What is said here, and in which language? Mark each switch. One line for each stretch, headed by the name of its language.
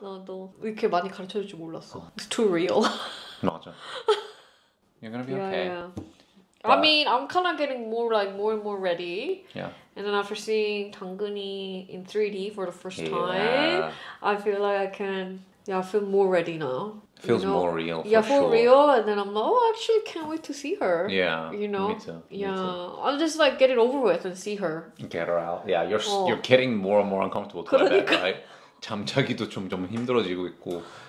Korean: 나도 이렇게 많이 가르쳐줄 줄 몰랐어.
English: It's too real. 맞아. You're gonna be okay. Yeah. But, I mean, I'm kind of getting more and more ready. Yeah. And then after seeing 당근이 in 3D for the first time, I feel like I can. Yeah, I feel more ready now. Feels you know? More real. Yeah, for sure. Real. And then I'm like, oh, actually, can't wait to see her. Yeah. You know. Me too. Yeah. I'm just like get it over with and see her. Get her out. Yeah. You're getting more and more uncomfortable.
Korean: 그러니까.
English: I bet, right?
Korean: 잠자기도 점점 힘들어지고 있고.